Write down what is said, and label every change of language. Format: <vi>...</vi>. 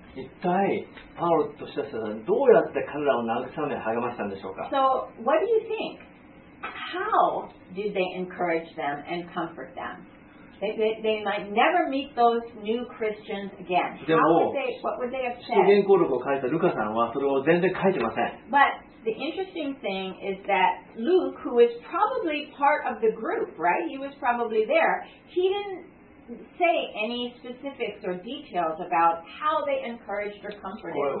<ja>一体パウロとシラスはどうやって彼らを慰め励ましたんでしょうか。</ja> <en>So what do you think? How did they encourage them and comfort them? They might never meet those new Christians again.</en> <ja>でも、</ja> <en>what would they have said?</en> <ja>主言行録を書いたルカさんはそれを全然書いてません。</ja> <en>But the interesting thing is that Luke, who was probably part of the group, right? He was probably there. He didn't. Say any specifics or details about how they encouraged or comforted.</en>